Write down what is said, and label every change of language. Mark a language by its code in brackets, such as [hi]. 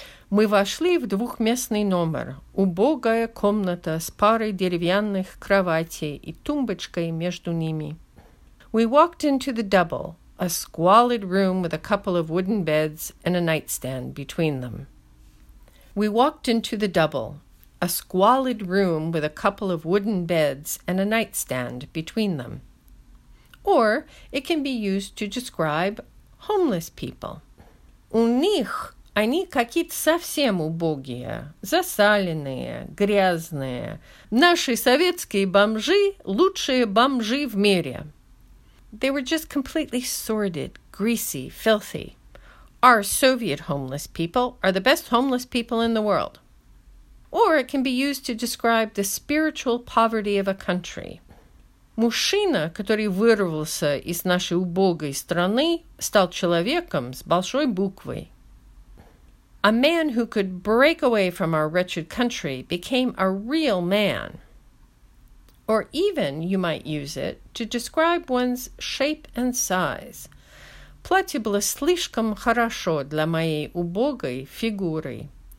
[ru] Мы вошли в двухместный номер, убогая комната с парой деревянных кроватей и тумбочкой между ними. [en] We walked into the double, a squalid room with a couple of wooden beds and a nightstand between them. We walked into the double, a squalid room with a couple of wooden beds and a nightstand between them. Or it can be used to describe homeless people. [ru] У них они какие-то совсем убогие, засаленные, грязные. Наши советские бомжи – лучшие бомжи в мире. [en] They were just completely sordid, greasy, filthy. Our Soviet homeless people are the best homeless people in the world. Or it can be used to describe the spiritual poverty of a country. [ru] Мужчина, который вырвался из нашей убогой страны, стал человеком с большой буквы. [en] A man who could break away from our wretched country became a real man. Or even you might use it to describe one's shape and size. [ru] Платье было слишком хорошо для моей убогой фигуры.